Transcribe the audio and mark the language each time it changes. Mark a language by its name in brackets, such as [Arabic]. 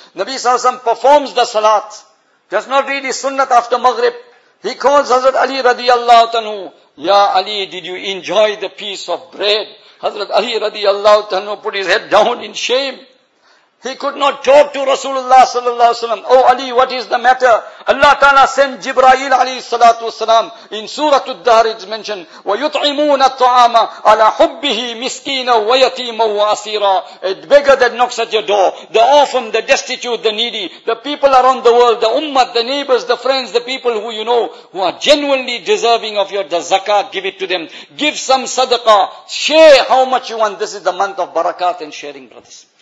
[English] Nabi Sallam performs the salat. Does not read his sunnat after Maghrib. He calls Hazrat Ali radiallahu ta'anhu. Ya Ali, did you enjoy the piece of bread? Hazrat Ali radiallahu ta'anhu put his head down in shame. He could not talk to Rasulullah sallallahu alaihi wasallam. Oh Ali, what is the matter? Allah Ta'ala sent Jibreel alayhi salatu wasalam. In Surah Ad-Dahr it's mentioned, [Arabic] وَيُطْعِمُونَ الطَّعَامَ عَلَىٰ حُبِّهِ مِسْكِينًا وَيَتِيمًا وَأَسِيرًا. [English] A beggar that knocks at your door, the orphan, the destitute, the needy, the people around the world, the ummah, the neighbors, the friends, the people who you know, who are genuinely deserving of your zakat, give it to them. Give some sadaqah. Share how much you want. This is the month of barakat and sharing, brothers.